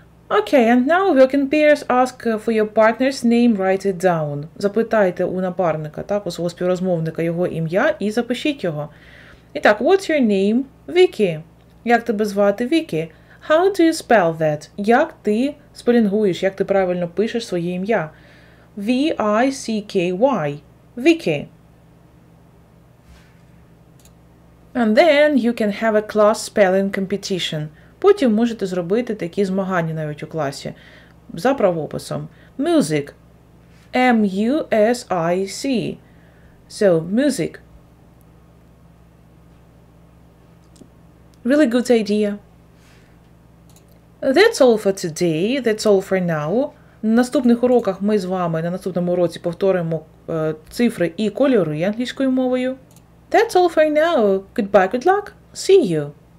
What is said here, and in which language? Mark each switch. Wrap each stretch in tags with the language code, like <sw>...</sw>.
<en>Okay, and now work in pairs, ask for your partner's name, write it down.</en> <uk>Запитайте у напарника, так, у свого співрозмовника його ім'я і запишіть його. І так,</uk> <en>what's your name?</en> <uk>Вікі. Як тебе звати? Вікі.</uk> <en>How do you spell that?</en> <uk>Як ти спелінгуєш, як ти правильно пишеш своє ім'я?</uk> <en>V-I-C-K-Y. Вікі. And then you can have a class spelling competition.</en> <uk>Потім можете зробити такі змагання навіть у класі. За правописом.</uk> <en>Music. M-U-S-I-C. So, music. Really good idea. That's all for today. That's all for now.</en> <uk>На наступних уроках ми з вами на наступному уроці повторимо цифри і кольори англійською мовою.</uk> <en>That's all for now. Goodbye, good luck. See you.</en>